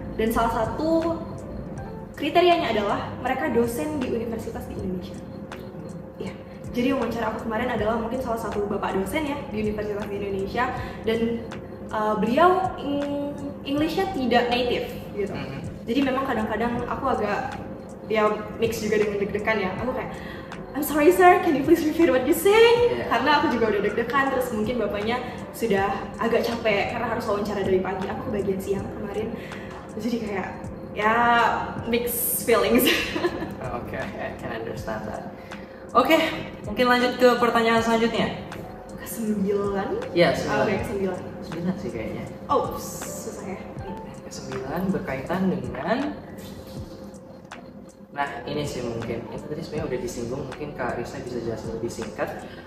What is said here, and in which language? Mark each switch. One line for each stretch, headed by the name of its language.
Indonesian: Dan salah satu kriterianya adalah mereka dosen di universitas di Indonesia. Jadi wawancara aku kemarin adalah mungkin salah satu bapak dosen ya di universitas di Indonesia. Dan beliau English-nya tidak native gitu. Jadi memang kadang-kadang aku agak ya mix juga dengan deg-degan ya. Aku kayak
English: I'm sorry sir, can you please repeat what you saying?
Indonesian: Karena aku juga udah deg-degan, terus mungkin bapaknya sudah agak capek karena harus wawancara dari pagi. Aku ke bagian siang kemarin. Jadi kayak ya mix feelings.
English: Okay, I can understand that.
Indonesian: Okay, mungkin lanjut ke pertanyaan selanjutnya. Kesembilan? Ya, sembilan. Okay, kesembilan. Sembilan sih kayaknya. Oh, susah ya. Kesembilan berkaitan dengan, nah ini sih mungkin, itu tadi sebenarnya udah disinggung, mungkin Kak Risa bisa jelasin lebih singkat.